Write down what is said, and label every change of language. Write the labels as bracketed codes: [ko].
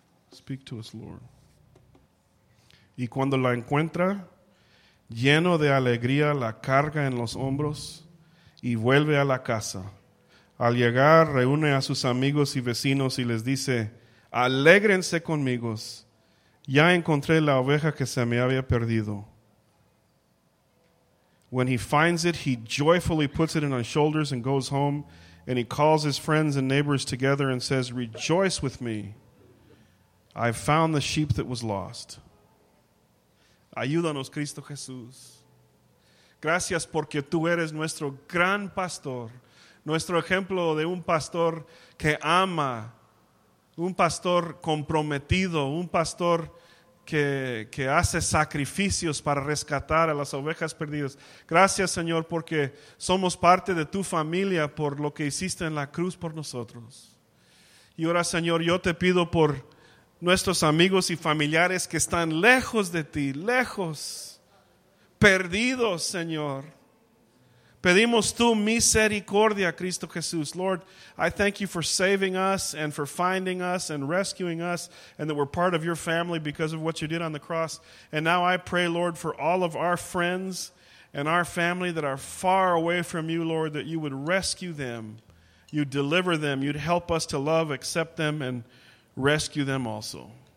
[en] Speak to us, Lord. [es] Y cuando la encuentra, lleno de alegría, la carga en los hombros y vuelve a la casa. Al llegar, reúne a sus amigos y vecinos y les dice, alégrense conmigo. Ya encontré la oveja que se me había perdido. [en] When he finds it, he joyfully puts it in his shoulders and goes home, and he calls his friends and neighbors together and says, rejoice with me. I've found the sheep that was lost. [es] Ayúdanos, Cristo Jesús. Gracias porque tú eres nuestro gran pastor, nuestro ejemplo de un pastor que ama, un pastor comprometido, un pastor que hace sacrificios para rescatar a las ovejas perdidas. Gracias, Señor, porque somos parte de tu familia por lo que hiciste en la cruz por nosotros. Y ahora, Señor, yo te pido por nuestros amigos y familiares que están lejos de ti, lejos, perdidos, Señor. Pedimos tu misericordia, Cristo Jesús. [en] Lord, I thank you for saving us and for finding us and rescuing us, and that we're part of your family because of what you did on the cross. And now I pray, Lord, for all of our friends and our family that are far away from you, Lord, that you would rescue them, you'd deliver them, you'd help us to love, accept them, and rescue them also.